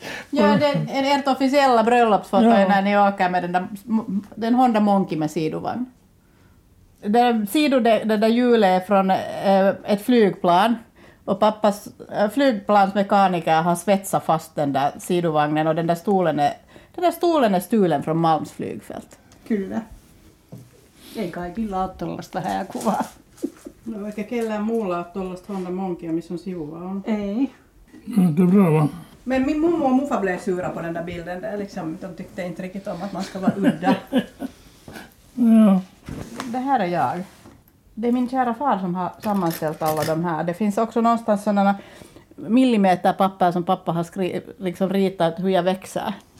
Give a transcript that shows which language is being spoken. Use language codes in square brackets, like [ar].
[sv] Ja, det är ert officiella bröllopsfoto ja. När ni åker med den Honda Monkey med sidovagn. Det där hjulet är från ett flygplan. Och pappas flygplansmekaniker har svetsat fast den där sidovagnen. Och den där stolen är stulen från Malms flygfält. [fi] Kyllä. Ei kaikilla ole tuollaista [sv] här [fi] kuvaa. No, eikä kellään muulla ole tuollaista Honda Monkeya, missä on sivuvaun. Ei. [sv] Det är bra va? Men min mummo och muffa blev sura på den där bilden. Där liksom, de tyckte inte riktigt om att man ska vara udda. Ja. Det här är jag. Det är min kära far som har sammanställt alla de här. Det finns också någonstans sådana millimeterpapper som pappa har liksom ritat hur jag växer.